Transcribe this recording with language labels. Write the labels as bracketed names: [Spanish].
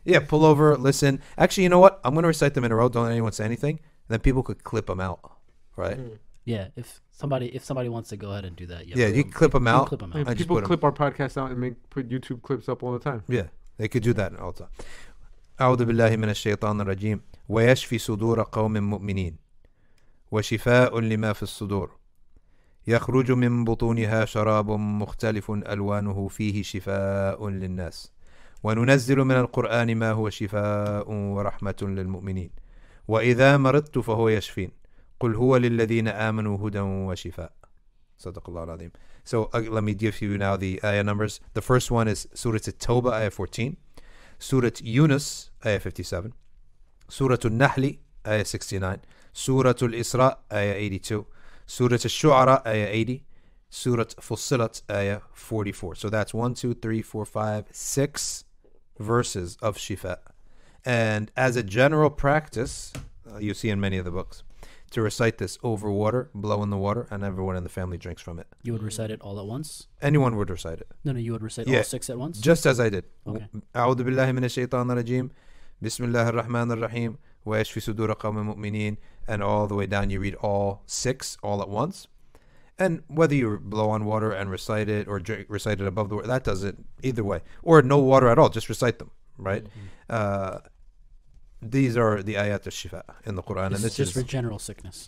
[English] Yeah, pull over, listen. Actually, you know what? I'm going to recite them in a row. Don't anyone say anything. Then people could clip them out, right? Mm-hmm. Yeah, if somebody wants to go ahead and do that. Yeah, you can clip them out. Clip them out. Yeah, people clip our podcast out and put YouTube clips up all the time. Yeah, they could do that all the time. [Arabic] أعوذ بالله من الشيطان الرجيم ويشفي صدور قوم مؤمنين وشفاء لما في الصدور يخرج من بطونها شراب مختلف ألوانه فيه شفاء للناس وننزل من القرآن ما هو شفاء ورحمة للمؤمنين وإذا مرضت فهو يشفين قل هو للذين آمنوا هدى وشفاء صدق الله العظيم. [English] So let me give you now the ayah numbers. The first one is Surah At-Tawbah, ayah 14. Surah Yunus, ayah 57. Surah An-Nahl, ayah 69. Surah Al-Isra, ayah 82. Surah Al-Shu'ara, ayah 80. Surah Fussilat, ayah 44. So that's 1, 2, 3, 4, 5, 6 verses of Shifa. And as a general practice, you see in many of the books, to recite this over water, blow in the water, and everyone in the family drinks from it. You would recite it all at once? Anyone would recite it. No, you would recite all six at once? Just as I did. Okay. [Arabic] أعوذ بالله من الشيطان الرجيم بسم الله الرحمن الرحيم وَيَشْفِ صُدُورَ قَوْمِ مُؤْمِنِينَ. [English] And all the way down, you read all six all at once. And whether you blow on water and recite it or recite it above the water, that does it either way. Or no water at all, just recite them, right? Mm-hmm. These are the ayat al-shifa in the Quran. This and this just is for general sickness.